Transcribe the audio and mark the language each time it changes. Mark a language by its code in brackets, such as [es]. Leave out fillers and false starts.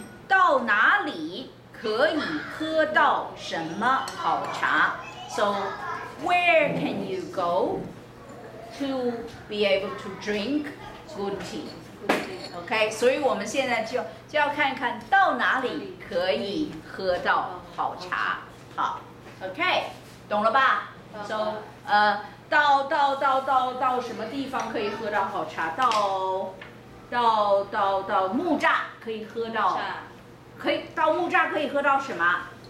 [zh] 到哪里可以喝到什么好茶。 [en] So where can you go to be able to drink good tea? [zh] OK, 所以我们现在 就要看看到哪里可以喝到好茶。好 ,OK, 懂了吧 ?So, 到什么地方可以喝到好茶？到木栅可以喝到，可以到木栅可以喝到什么？